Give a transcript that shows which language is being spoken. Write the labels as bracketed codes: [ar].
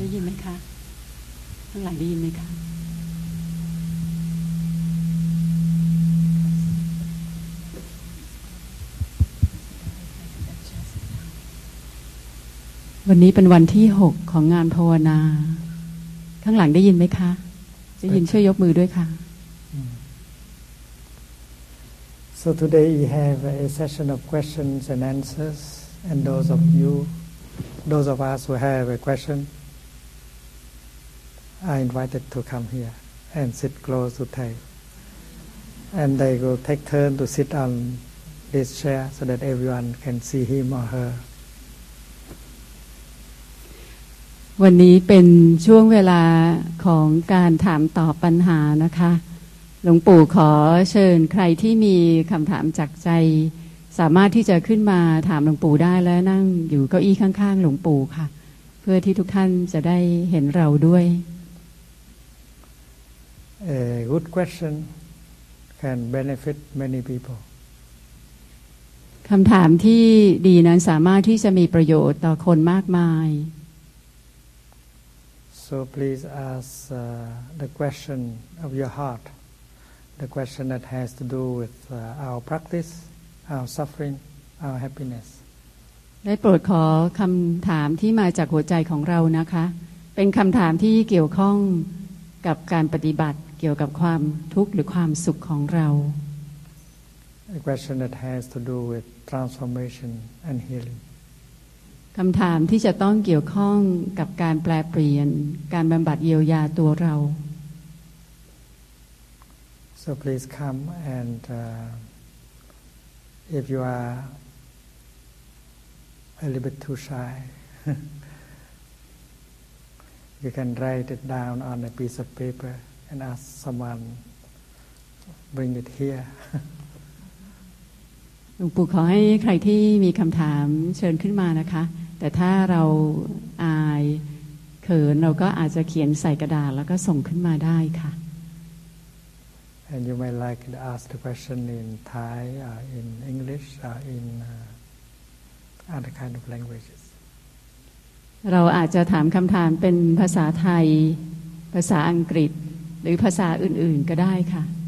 [th] ได้ยินไหมคะข้างหลังได้ยินไหมคะวันนี้เป็นวันที่6ของงานภาวนาข้างหลังได้ยินไหมคะได้ยินช่วยยกมือด้วยค่ะ [en] So today we have a session of questions and answers, and those of us who have a question, are invited to come here and sit close to Thay. And they will take turn to sit on this chair so that everyone can see him or her. [th] วันนี้เป็นช่วงเวลาของการถามตอบปัญหานะคะหลวงปู่ขอเชิญใครที่มีคำถามจากใจสามารถที่จะขึ้นมาถามหลวงปู่ได้และนั่งอยู่เก้าอี้ข้างๆหลวงปู่ค่ะเพื่อที่ทุกท่านจะได้เห็นเราด้วย [en] A good question can benefit many people [th] คำถามที่ดีนั้นสามารถที่จะมีประโยชน์ต่อคนมากมาย [en] So please ask the question of your heartThe question that has to do with our practice, our suffering, our happiness. [th] ได้โปรดขอคำถามที่มาจากหัวใจของเรานะคะเป็นคำถามที่เกี่ยวข้องกับการปฏิบัติเกี่ยวกับความทุกข์หรือความสุขของเรา [en] A question that has to do with transformation and healing. [th] คำถามที่จะต้องเกี่ยวข้องกับการแปลเปลี่ยนการบำบัดเยียวยาตัวเรา [en] So please come and if you are a little bit too shy you can write it down on a piece of paper and ask someone bring it here [th] หลวงปู่ขอให้ใครที่มีคำถามเชิญขึ้นมานะคะแต่ถ้าเราอายเขินเราก็อาจจะเขียนใส่กระดาษแล้วก็ส่งขึ้นมาได้ค่ะ [en] And you may like to ask the question in Thai in English in other kind of languages [th] เราอาจจะถามคำถามเป็นภาษาไทยภาษาอังกฤษหรือภาษาอื่นๆก็ได้ค่ะ